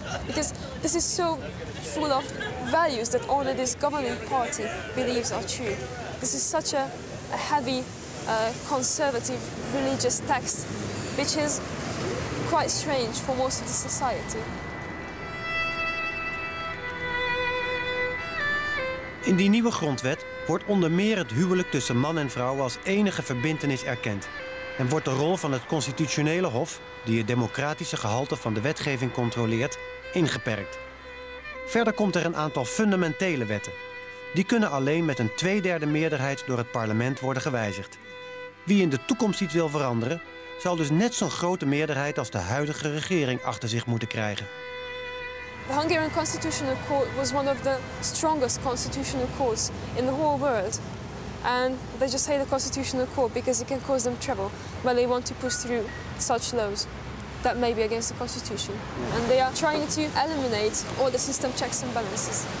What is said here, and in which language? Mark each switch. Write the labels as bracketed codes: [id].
[en] Because this is so full of values that only this governing party believes are true. This is such a heavy, conservative religious text, which is quite strange for most of the society. [nl] In die nieuwe grondwet wordt onder meer het huwelijk tussen man en vrouw als enige verbintenis erkend. En wordt de rol van het constitutionele hof, die het democratische gehalte van de wetgeving controleert, ingeperkt. Verder komt er een aantal fundamentele wetten. Die kunnen alleen met een 2/3 meerderheid door het parlement worden gewijzigd. Wie in de toekomst iets wil veranderen, zal dus net zo'n grote meerderheid als de huidige regering achter zich moeten krijgen. [en] The Hungarian Constitutional Court was one of the strongest constitutional courts in the whole world. And they just hate the Constitutional Court because it can cause them trouble when they want to push through such laws that may be against the Constitution. And they are trying to eliminate all the system checks and balances.